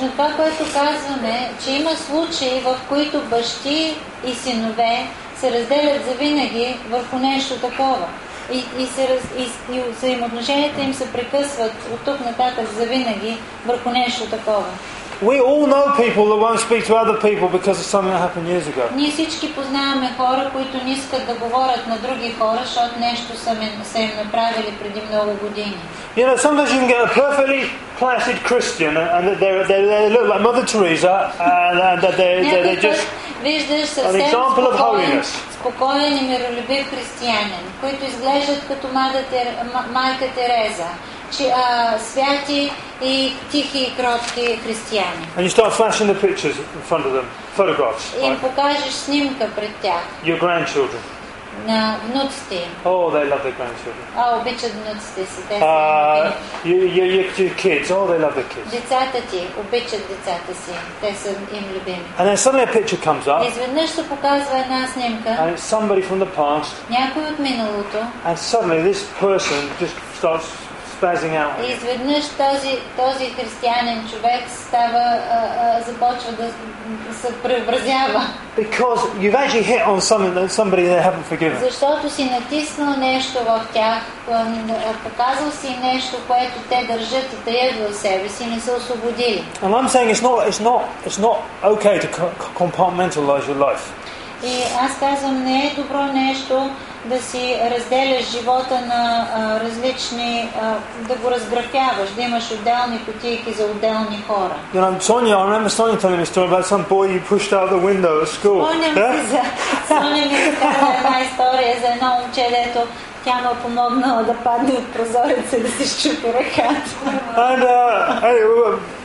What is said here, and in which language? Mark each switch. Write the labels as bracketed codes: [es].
[en] We all know people that won't speak to other people because of something that happened years ago. [bg] Ние всички познаваме хора, които не искат да говорят на други хора, защото нещо са им направили преди много години. [en] You know, sometimes you can get a perfectly placid Christian and they look like Mother Teresa and that they just an example of holiness. [bg] Спокоен и миролюбив християнин, които изглеждат като майка Тереза, святи и тихи и кротки християни. [en] And you start flashing the pictures in front of them, photographs. [bg] И им покажеш снимка пред тях. [en] Your grandchildren. [bg] На внуците. [en] Oh, they love their grandchildren. [bg] А обичат внуците си. [en] Your kids. Oh, they love their kids. [bg] Децата ти обичат децата си. Те са им любими. [en] And then suddenly a picture comes up. [bg] Изведнъж се показва една снимка. [en] And it's somebody from the past. [bg] Някой от миналото. [en] And suddenly this person just starts spazzing out. [bg] Изведнъж този християнин човек започва да се преобразява. [en] Because you've actually hit on something that somebody they haven't forgiven. [bg] Защото си натиснал нещо в тях, показал си нещо, което те държат и таят в себе си, не са освободили. [en] And I'm saying it's not okay to compartmentalize your life. [bg] И аз казвам, не е добро нещо да си разделяш живота на различни, да го разграфяваш, да имаш отделни кутийки за отделни хора. [en] You know, Sonia, I remember Sonia telling me a story about some boy you pushed out the window at school. [bg] Sonia ми разказа една история за едно момче, дето тя му помогнала да падне от прозореца и да се счупи ръката.